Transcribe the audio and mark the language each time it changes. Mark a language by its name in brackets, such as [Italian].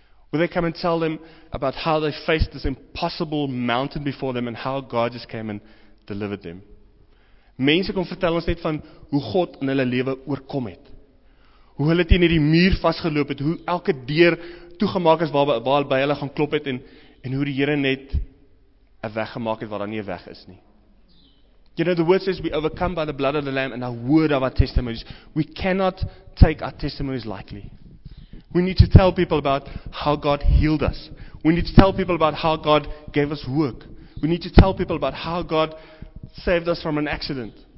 [English] Where they come and tell them about how they faced this impossible mountain before them and how God just came and delivered them. [Afrikaans] Mense kom vertel ons net van hoe God in hulle lewe oorkom het. Hoe hulle teen hierdie muur vasgeloop het, hoe elke deur toegemaak is waar by hulle gaan klop het en hoe die Here net 'n weg gemaak het waar daar nie 'n weg is nie. [English] You know, the word says we overcome by the blood of the Lamb and our word of our testimonies. We cannot take our testimonies lightly. We need to tell people about how God healed us. We need to tell people about how God gave us work. We need to tell people about how God saved us from an accident.